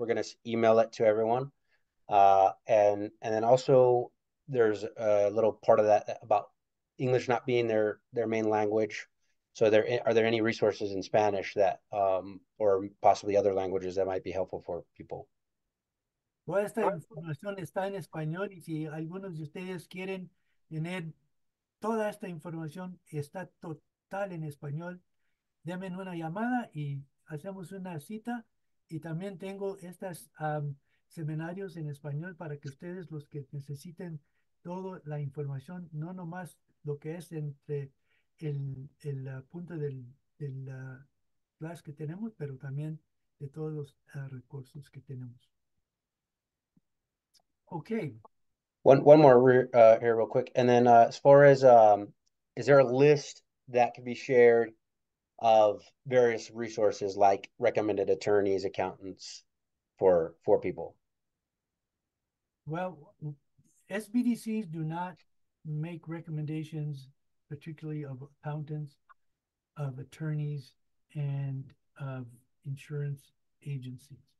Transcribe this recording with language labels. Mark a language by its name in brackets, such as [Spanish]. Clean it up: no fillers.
[English] We're going to email it to everyone. And then also there's a little part of that about English not being their main language. So are there any resources in Spanish that or possibly other languages that might be helpful for people? [Spanish] Toda esta información está en español y si algunos de ustedes quieren tener toda esta información está total en español, denme una llamada y hacemos una cita. Y también tengo estos seminarios en español para que ustedes, los que necesiten toda la información, no nomás lo que es entre el punto del class que tenemos, pero también de todos los recursos que tenemos. [English] Okay. One more here real quick. And then as far as is there a list that can be shared of various resources like recommended attorneys, accountants for people? Well, SBDCs do not make recommendations, particularly of accountants, of attorneys, and of insurance agencies.